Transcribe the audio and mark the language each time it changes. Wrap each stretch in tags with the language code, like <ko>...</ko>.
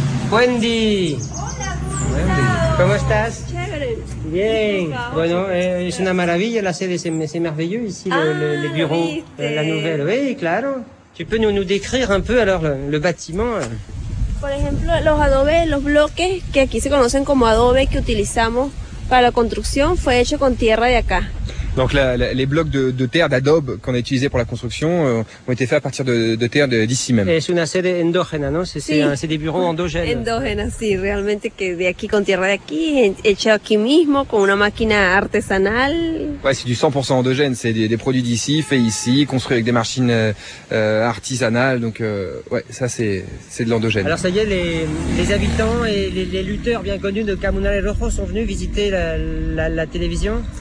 <es>Wendy. Hola, ¿cómo estás? Chévere. Bien. Bueno, es una maravilla la sede,</es> <fr>c'est merveilleux ici, le bureau, la nouvelle. Oui,</fr> <es>claro.</es> <fr>Tu peux nous décrire un peu alors le bâtiment.</fr> <es>Por ejemplo, los adobes, los bloques que aquí se conocen como adobe que utilizamos para la construcción fue hecho con tierra de acá.</es> <fr>Donc les blocs de terre d'adobe qu'on a utilisés pour la construction ont été faits à partir de terre d'ici même.</fr> <es>Es una sede endógena, ¿no?</es> <fr>C'est des bureaux endogènes.</fr> <es>Endógena, sí, realmente que de aquí con tierra de aquí, hecho aquí mismo con una máquina artesanal.</es> <fr>Ouais, c'est du 100% endogène, c'est des produits d'ici, faits ici, construits avec des machines artisanales. Donc ouais, ça c'est de l'endogène. Alors ça y est, les habitants et les lutteurs bien connus de Camunare Rojo sont venus visiter la télévision.</fr>